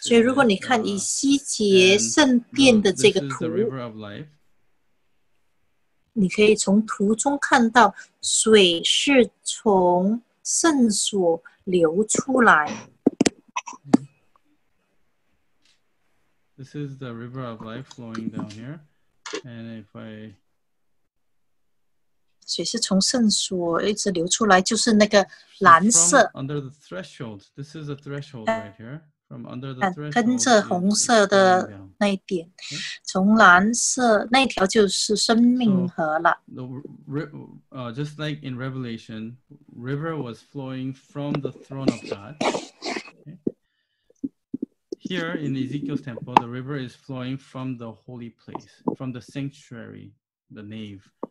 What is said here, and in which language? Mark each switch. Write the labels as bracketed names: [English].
[Chinese] 所以如果你看以西结圣殿的这个图，你可以从图中看到水是从圣所流出来。 [English] This is the river of life flowing down here, and if I [Chinese] 水是从圣所一直流出来，就是那个蓝色。 [English] From under the threshold, this is a threshold right here. From under the threshold, [Chinese] 跟着红色的那一点，从蓝色那条就是生命河了。 [English] So, just like in Revelation, river was flowing from the throne of God. Here in Ezekiel's temple, the river is flowing from the holy place, from the sanctuary, the nave.